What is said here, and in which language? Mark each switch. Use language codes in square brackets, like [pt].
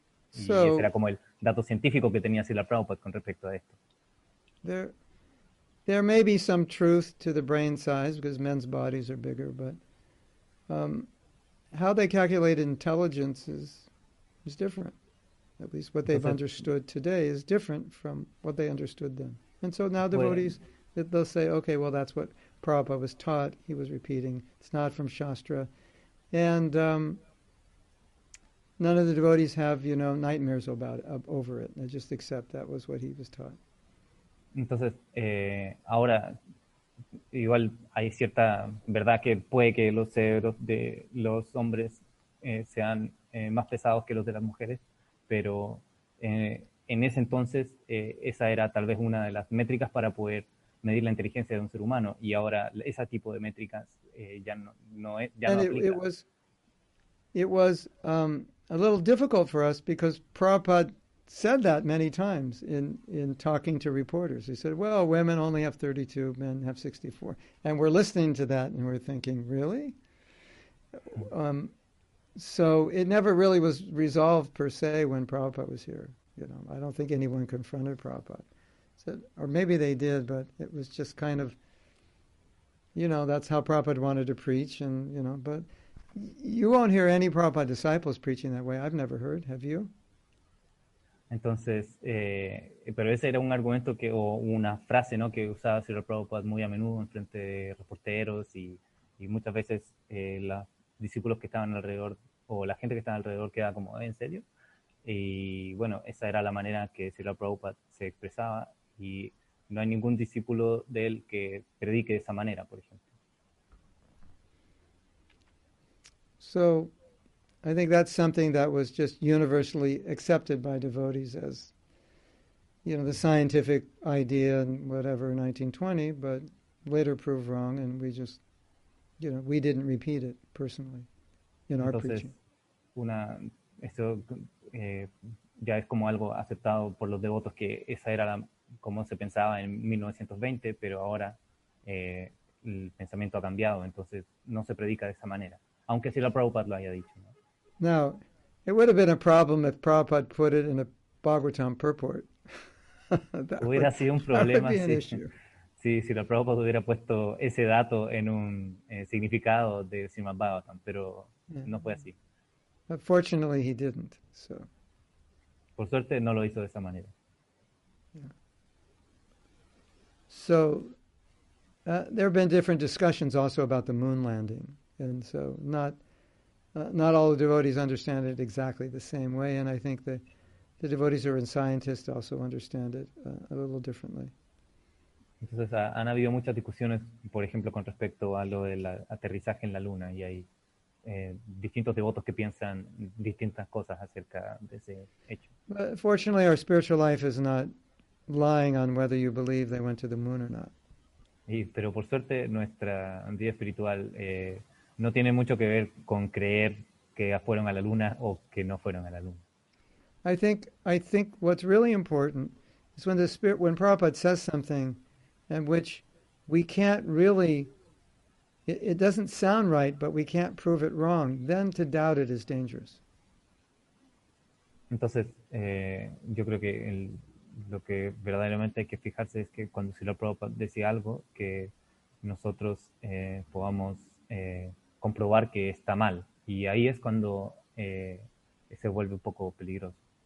[es] So, y ese era como el dato científico que tenía Srila Prabhupada con respecto a esto. [en] There may be some truth to the brain size because men's bodies are bigger, but how they calculate intelligence is different. At least what they've understood today is different from what they understood then. And so now devotees, they'll say, okay, well, that's what Prabhupada was taught. He was repeating. It's not from Shastra. And none of the devotees have, you know, nightmares over it. They just accept that was what he was taught. [es] Entonces, ahora, igual hay cierta verdad que puede que los cerebros de los hombres sean más pesados que los de las mujeres. Pero en ese entonces, esa era tal vez una de las métricas para poder medir la inteligencia de un ser humano. Y ahora, ese tipo de métricas ya no aplica. [en] It was a little difficult for us because Prabhupada said that many times in talking to reporters. He said, well, women only have 32, men have 64. And we're listening to that and we're thinking, really? So it never really was resolved per se when Prabhupada was here. You know, I don't think anyone confronted Prabhupada. So, or maybe they did, but it was just kind of you know, that's how Prabhupada wanted to preach, and, you know, but you won't hear any Prabhupada disciples preaching that way. I've never heard. Have you? [es] Entonces, pero ese era un argumento que, o una frase, ¿no?, que usaba Sr. Prabhupada muy a menudo en frente de reporteros y muchas veces los discípulos que estaban alrededor o la gente que estaba alrededor quedaba como, ¿en serio? Y bueno, esa era la manera que Sr. Prabhupada se expresaba y no hay ningún discípulo de él que predique de esa manera, por ejemplo. [en] So, I think that's something that was just universally accepted by devotees as, you know, the scientific idea and whatever in 1920, but later proved wrong, and we just, you know, we didn't repeat it personally in our preaching. [es] Entonces, ya es como algo aceptado por los devotos que esa era como se pensaba en 1920, pero ahora el pensamiento ha cambiado, entonces no se predica de esa manera, aunque si la Prabhupada lo haya dicho, ¿no? [en] Now, it would have been a problem if Prabhupada put it in a Bhagavatam purport. [es] Hubiera sido un problema si la Prabhupada hubiera puesto ese dato en un significado de Srimad Bhagavatam, pero no fue así. [en] But fortunately, he didn't. So. [es] Por suerte, no lo hizo de esa manera. [en] So, there have been different discussions also about the moon landing, and so not all the devotees understand it exactly the same way, and I think the devotees who are in scientists also understand it a little differently. [es] Entonces, han habido muchas discusiones, por ejemplo, con respecto a lo del aterrizaje en la luna, y hay distintos devotos que piensan distintas cosas acerca de ese hecho. [en] But fortunately, our spiritual life is not lying on whether you believe they went to the moon or not. [es] Y, pero por suerte, nuestra vida espiritual no tiene mucho que ver con creer que fueron a la luna o que no fueron a la luna. [en] I think what's really important is when the spirit, when Prabhupada says something in which we can't really, it doesn't sound right, but we can't prove it wrong, then to doubt it is dangerous. [es] Entonces, yo creo que lo que verdaderamente hay que fijarse es que cuando Srila Prabhupada decía algo, que nosotros podamos comprobar que está mal. Y ahí es cuando se vuelve un poco peligroso.